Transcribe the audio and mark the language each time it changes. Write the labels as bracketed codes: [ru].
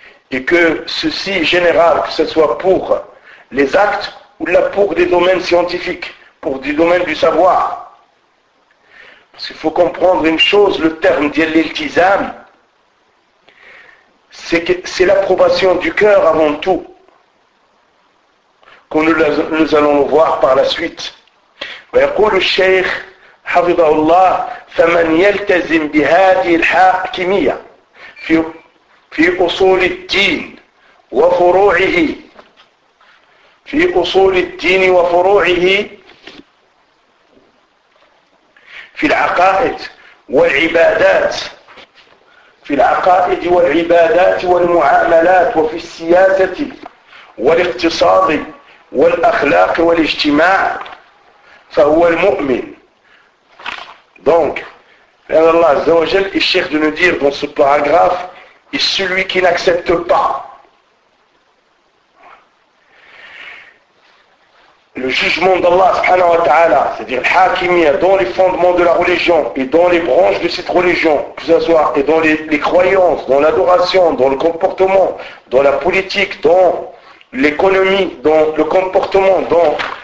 [fr] Et que ceci est général, que ce soit pour les actes ou là pour des domaines scientifiques, pour des domaines du savoir. Parce qu'il faut comprendre une chose, le terme d'iltizam, c'est l'approbation du cœur avant tout. que nous allons voir par la suite. [ar] ويقول الشيخ حفظه الله فمن يلتزم بهذه الحاكمية في أصول الدين وفروعه في أصول الدين وفروعه في العقائد والعبادات في العقائد والعبادات والمعاملات وفي السياسة والاقتصاد والأخلاق والاجتماع فهو المؤمن. [fr] Donc, Allah Azza wa Jal est cher de nous dire dans ce paragraphe, et celui qui n'accepte pas le jugement d'Allah subhanahu wa ta'ala, c'est-à-dire l'hakimiyya dans les fondements de la religion et dans les branches de cette religion, que ce soit et dans les croyances, dans l'adoration, dans le comportement, dans la politique, dans l'économie, dans le comportement, dans